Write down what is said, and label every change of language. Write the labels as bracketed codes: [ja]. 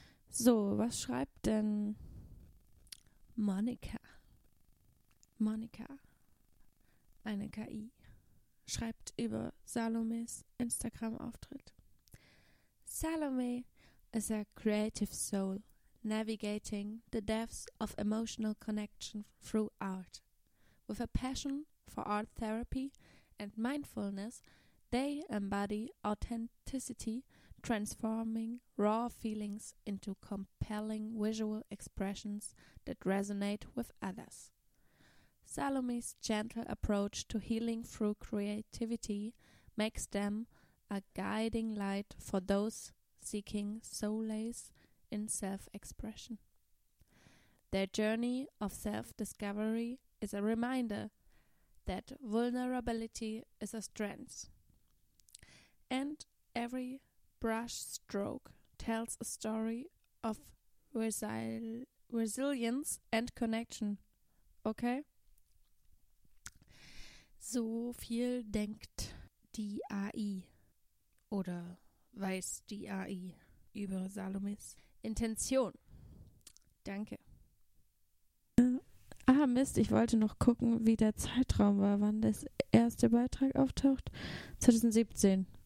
[de] So, was schreibt denn Monika? Monika, eine KI, schreibt über Salomes Instagram-Auftritt. [en] Salome is a creative soul navigating the depths of emotional connection through art. With a passion for art therapy and mindfulness, they embody authenticity, transforming raw feelings into compelling visual expressions that resonate with others. Salome's gentle approach to healing through creativity makes them a guiding light for those seeking solace in self-expression. Their journey of self-discovery is a reminder that vulnerability is a strength, and every brush stroke tells a story of resilience and connection. Okay? [de] So viel denkt die AI oder weiß die AI über Salomes Intention. Danke. Ah, Mist, ich wollte noch gucken, wie der Zeitraum war, wann das erste Beitrag auftaucht. 2017.